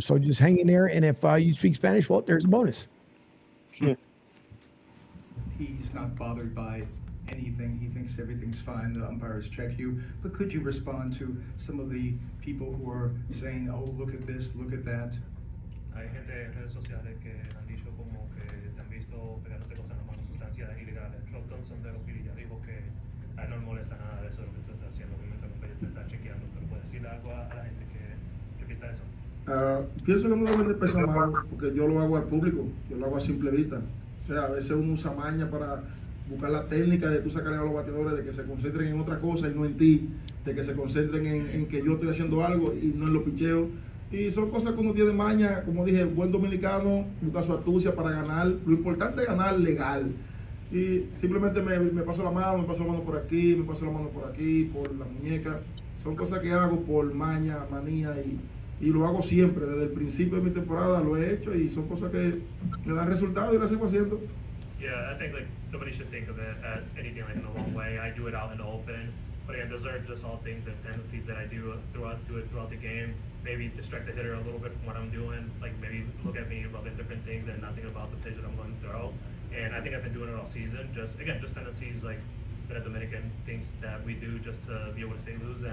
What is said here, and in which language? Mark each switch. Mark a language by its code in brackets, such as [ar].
[en] So just hang in there, and if you speak Spanish, well, there's a bonus. Sure. He's not bothered by anything. He thinks everything's fine. The umpires check you. But could you respond to some of the people who are saying, oh, look at this, look at that? [es] Hay gente en redes sociales que han dicho como que te han visto pegándote cosas en las manos, sustancias ilegales. Rob Thompson de los Phillies ya dijo que a él no le molesta nada de eso, lo que tú estás haciendo, que mientras que te está chequeando, pero puedes decirle algo a la gente que piensa eso. Pienso que no deben de pensar mal, porque yo lo hago al público, yo lo hago a simple vista. O sea, a veces uno usa maña para buscar la técnica de tú sacarle a los bateadores, de que se concentren en otra cosa y no en ti, de que se concentren en que yo estoy haciendo algo y no en los picheos. Y son cosas que uno tiene maña, como dije, buen dominicano, busca su astucia para ganar. Lo importante es ganar legal. Y simplemente me paso la mano, me paso la mano por aquí, me paso la mano por aquí, por la muñeca. Son cosas que hago por maña, manía, y lo hago siempre. Desde el principio de mi temporada lo he hecho y son cosas que me dan resultados y las sigo haciendo. [en] Yeah, I think like nobody should think of it as anything like in a long way. I do it out in the open. But again, those are just all things and tendencies that I do throughout the game. Maybe distract the hitter a little bit from what I'm doing. Like maybe look at me loving different things and not think about the pitch that I'm going to throw. And I think I've been doing it all season. Just again, just tendencies like the Dominican things that we do just to be able to stay loose.